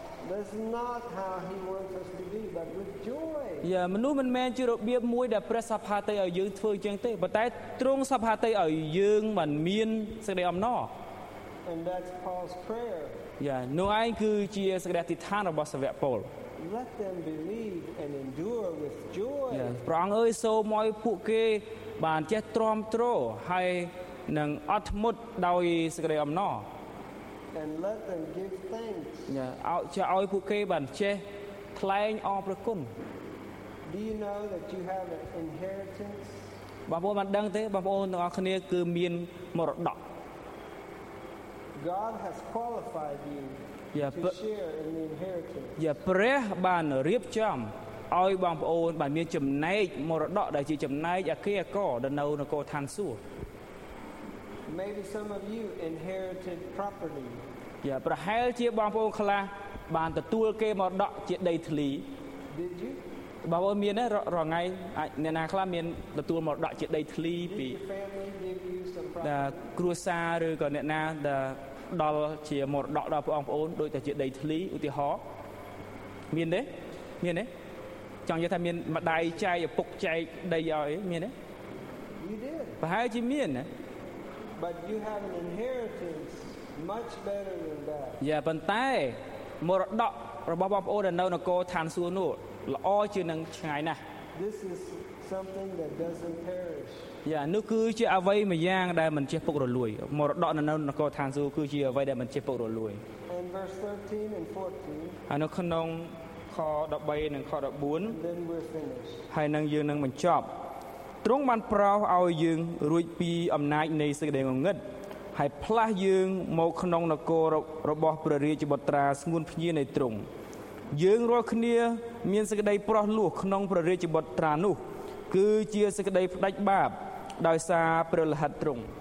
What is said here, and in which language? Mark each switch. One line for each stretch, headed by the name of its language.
English: That's not how he wants us to be, but with joy.
Khmer: យ៉ាមនុស្សមិនមែនជារបៀបមួយដែលព្រះសព្ផាតីឲ្យយើងធ្វើជាងទេប៉ុន្តែទ្រង់សព្ផាតីឲ្យយើងមិនមានសេចក្តីអំណរ
English: And that's Paul's prayer.
Khmer: យ៉ាណូអាយគឺជាសេចក្តីអធិដ្ឋានរបស់សាវកពល
English: Let them believe and endure with joy.
Khmer: យ៉ាព្រះអង្គអើយសូមឲ្យពួកគេបានចេះទ្រាំទ្រហើយនឹងអត់ធ្មត់ដោយសេចក្តីអំណរ
English: And let them give thanks.
Khmer: Yeah, ឲ្យចឲ្យពួកគេបានចេះថ្លែងអរព្រះគុណ
English: Do you know that you have an inheritance?
Khmer: បងប្អូនបានដឹងទេបងប្អូនទាំងអស់គ្នាគឺមានមរតក
English: God has qualified you to share in the inheritance.
Khmer: យ៉ាព្រះបានរៀបចំឲ្យបងប្អូនបានមានចំណែកមរតកដែលជាចំណែកអគារកដែលនៅនគរឋានសួគ៌
English: Maybe some of you inherited property.
Khmer: Yeah, ប្រហែលជាបងប្អូនខ្លះបានទទួលគេមរតកជាដីធ្លី
English: Did you?
Khmer: បងប្អូនមានរងថ្ងៃអាចអ្នកណាខ្លះមានទទួលមរតកជាដីធ្លីពី តាគ្រួសារឬក៏អ្នកណាដែលដល់ជាមរតកដល់បងប្អូនដូចតែជាដីធ្លីឧទាហរណ៍មានទេមានទេចង់និយាយថាមានម្ដាយចែកឪពុកចែកដីឲ្យមានទេ
English: You did.
Khmer: ប្រហែលជាមានណា
English: But you have an inheritance much better than that.
Khmer: Yeah, ប៉ុន្តែមរតករបស់បងប្អូននៅនគរឋានសួគ៌នោះល្អជាងឆ្ងាយណាស់
English: This is something that doesn't perish.
Khmer: Yeah, នោះគឺជាអ្វីមួយយ៉ាងដែលមិនចេះពុករលួយមរតកនៅនគរឋានសួគ៌គឺជាអ្វីដែលមិនចេះពុករលួយ
English: In verse 13 and 14.
Khmer: ហើយនៅក្នុងខ13និងខ14
English: Then we're finished.
Khmer: ហើយនឹងយើងនឹងបញ្ចប់ទ្រង់បានប្រោសឲ្យយើងរួចពីអំណាចនៃសេចក្តីងងឹតហើយផ្លាស់យើងមកក្នុងនគររបស់ព្រះរាជបុត្រាស្ងួនភ្ញានៃទ្រង់យើងរាល់គ្នាមានសេចក្តីប្រោសលោះក្នុងព្រះរាជបុត្រានោះគឺជាសេចក្តីផ្ដាច់បាបដោយសារព្រះលិខិតទ្រង